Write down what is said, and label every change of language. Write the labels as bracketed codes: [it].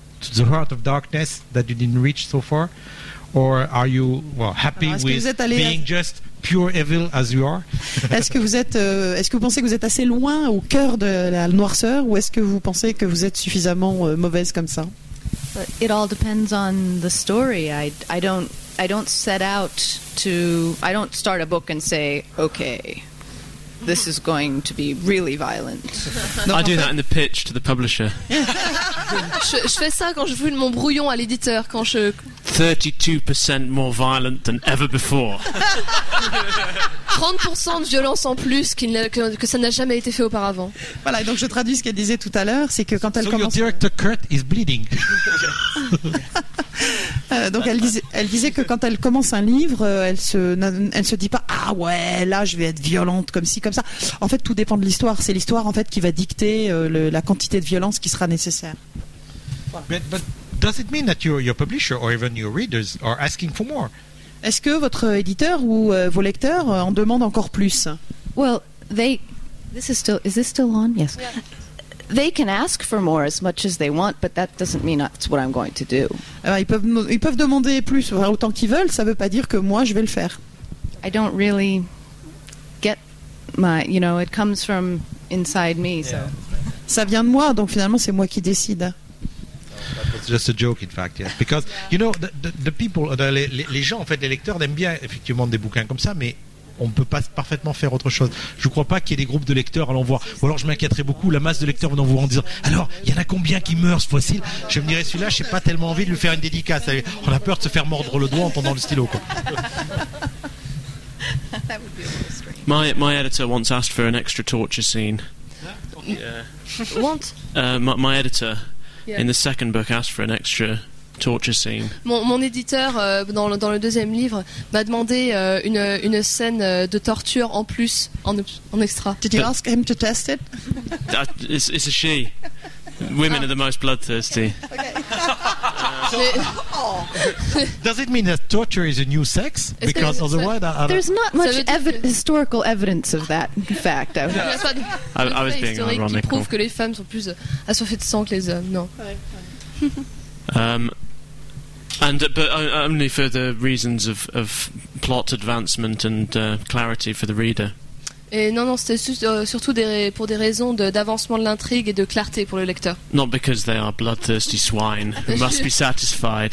[en] to the heart of darkness that you didn't reach so far, or are you happy with being just pure evil as you are? [fr] Est-ce que vous pensez que vous êtes assez loin au cœur de la noirceur, ou est-ce que vous pensez que vous êtes suffisamment mauvaise comme ça? [en] It all depends on the story. I don't set out to. I don't start a book and say, okay, this is going to be really violent. I do that in the pitch to the publisher. [fr] Je fais ça quand je fais mon brouillon à l'éditeur. [en] 32% more violent than ever before. [fr] 30% de violence en plus que ça n'a jamais été fait auparavant. Voilà, donc je traduis ce qu'elle disait tout à l'heure, c'est que quand elle commence. [en] So your director Kurt is bleeding. [fr] Donc elle disait que quand elle commence un livre, elle se dit pas ah ouais là je vais être violente comme ci comme ça. En fait, tout dépend de l'histoire. C'est l'histoire en fait qui va dicter la quantité de violence qui sera nécessaire. [en] But does it mean that your publisher or even your readers are asking for more? [fr] Est-ce que votre éditeur ou vos lecteurs en demandent encore plus? [en] Well, is this still on? Yes. Yeah. They can ask for more as much as they want, but that doesn't mean that's what I'm going to do. [fr] Ils peuvent demander plus, autant qu'ils veulent, ça veut pas dire que moi je vais le faire. [en] I don't really get my, you know, it comes from inside me, so. [fr] Ça vient de moi, donc finalement c'est moi qui décide. [en] It's just a joke, in fact, yes. Because, you know, the people, [fr] les gens, en fait, les lecteurs aiment bien, effectivement, des bouquins comme ça, mais on ne peut pas parfaitement faire autre chose. Je ne crois pas qu'il y ait des groupes de lecteurs à l'envoi. Ou alors, je m'inquiéterais beaucoup, la masse de lecteurs venant vous en disant, alors, il y en a combien qui meurent ce fois-ci? Je me dirais, celui-là, je n'ai pas tellement envie de lui faire une dédicace. On a peur de se faire mordre le doigt en tendant le stylo, quoi. [en] My editor once asked for an extra torture scene. What? My editor... Yeah. In the second book, asked for an extra torture scene. Mon éditeur dans le deuxième livre m'a demandé une scène de torture en plus en extra. Did you ask him to test it? It's a she. Women are the most bloodthirsty. Okay. Does it mean that torture is a new sex? Because otherwise, there's not much historical evidence of that fact. I was being ironic. [fr] Qui prouve que les femmes sont plus assoiffées de sang que les hommes? Non. [en] But only for the reasons of plot advancement and clarity for the reader. [fr] Et non, c'était surtout pour des raisons d'avancement de l'intrigue et de clarté pour le lecteur. [en] Not because they are bloodthirsty swine who must be satisfied.